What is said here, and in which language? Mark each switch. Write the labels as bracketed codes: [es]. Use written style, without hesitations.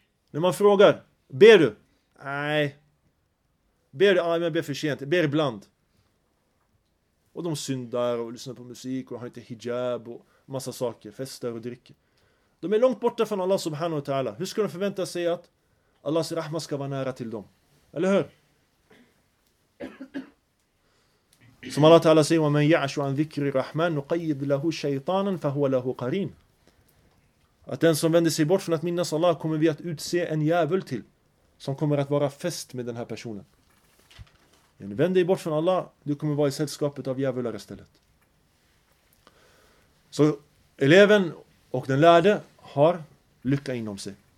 [sv] När man frågar, ber du? Nej. Ber du? Ja, jag ber för sent. Ber ibland. Och de syndar och lyssnar på musik och har inte hijab och massa saker. Fester och dricker. De är långt borta från Allah subhanahu wa ta'ala. Hur ska de förvänta sig att Allahs rahma ska vara nära till dem? Eller hur? Som Allah ta'ala säger, [ar] وَمَنْ يَعْشُ عَنْ ذِكْرِ الرَّحْمَنُ وَقَيِّدْ لَهُ شَيْطَانًا فَهُوَ لَهُ قَرِينَ. [sv] Att den som vänder sig bort från att minnas Allah kommer vi att utse en djävul till. Som kommer att vara fäst med den här personen. Vänd dig bort från Allah, du kommer vara i sällskapet av djävular istället. Så eleven och den lärde har lycka inom sig.